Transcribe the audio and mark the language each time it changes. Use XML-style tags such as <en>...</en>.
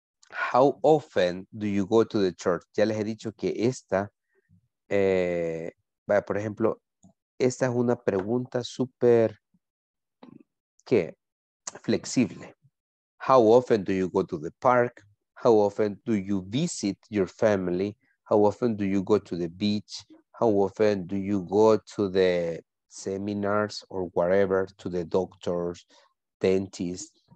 <en>How often do you go to the church?</en> <es>Ya les he dicho que esta, vaya, por ejemplo, esta es una pregunta súper, ¿qué?</es> <en>Flexible. How often do you go to the park? How often do you visit your family? How often do you go to the beach? How often do you go to the seminars or whatever, to the doctors, dentists.</en>